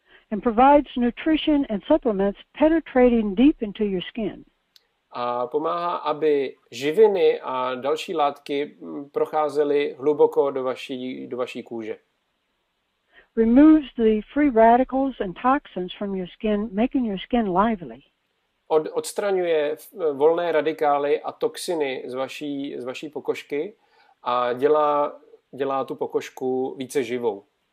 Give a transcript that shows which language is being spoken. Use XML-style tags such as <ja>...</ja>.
<en>And provides nutrition and supplements penetrating deep into your skin.</en> <cs>A pomáhá, aby živiny a další látky procházely hluboko do vaší kůže.</cs> <en>Removes the free radicals and toxins from your skin, making your skin lively.</en> <cs>odstraňuje volné radikály a toxiny z vaší pokožky a dělá tu pokožku více živou.</cs>